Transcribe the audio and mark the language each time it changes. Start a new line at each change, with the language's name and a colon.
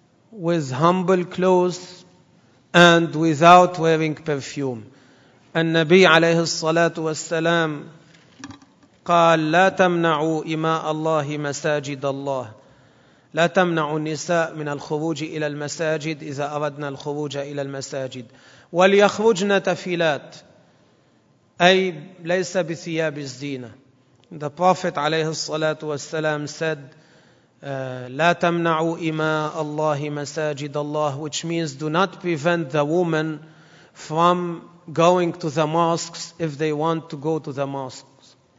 English: With humble clothes and without wearing perfume.
Arabic: النبي عليه الصلاة والسلام قال لا تمنعوا إماء الله مساجد الله. لا تمنعوا النساء من الخروج إلى المساجد إذا أردنا الخروج إلى المساجد. وليخرجن تفيلات, أي ليس بثياب الزينة.
English: The Prophet
Arabic: عليه الصلاة والسلام
English: said
Arabic: لا تمنعوا إماء الله مساجد الله,
English: which means do not prevent the woman from going to the mosques if they want to go to the mosques.